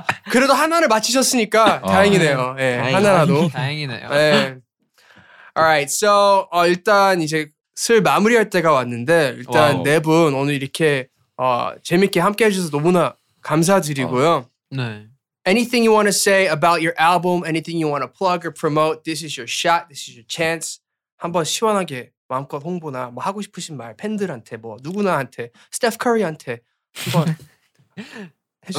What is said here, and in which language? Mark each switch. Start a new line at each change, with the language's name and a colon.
Korean: 그래도 하나를 맞히셨으니까 다행이네요. 예. 하나라도. 다행이네요. 예. Alright. So, 일단 이제 슬 마무리할 때가 왔는데 일단 네 분 오늘 이렇게 재밌게 함께 해 주셔서 너무나 감사드리고요. 네.
English: Anything you want to say about your album? Anything you want to plug or promote? This is your shot. This is your chance.
Korean: 한번 시원하게 마음껏 홍보나 뭐 하고 싶으신 말 팬들한테 뭐 누구나한테 스테프 커리한테 한번 해주세요.